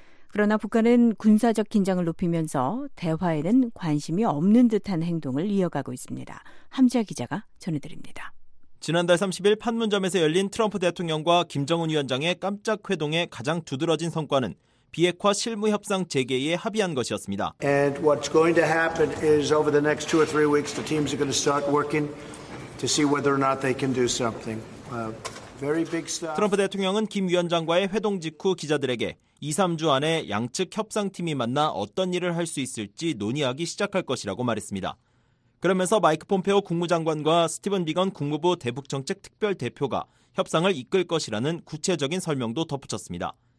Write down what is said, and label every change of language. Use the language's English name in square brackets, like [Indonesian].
[Korean] 그러나 북한은 군사적 긴장을 높이면서 대화에는 관심이 없는 듯한 행동을 이어가고 있습니다. 함지아 기자가 전해드립니다. 지난달 30일 판문점에서 열린 트럼프 대통령과 김정은 위원장의 깜짝 회동의 가장 두드러진 성과는 비핵화 실무 협상 재개에 합의한 것이었습니다. [English] And what's going to happen is over the next two or three weeks the teams are going to start working to see whether or not they can do something. Very big stuff. [Korean] 트럼프 대통령은 김 위원장과의 회동 직후 기자들에게 2-3주 안에 양측 협상팀이 만나 어떤 일을 할 수 있을지 논의하기 시작할 것이라고 말했습니다. 그러면서 마이크 폼페오 국무장관과 스티븐 비건 국무부 대북정책특별대표가 협상을 이끌 것이라는 구체적인 설명도 덧붙였습니다.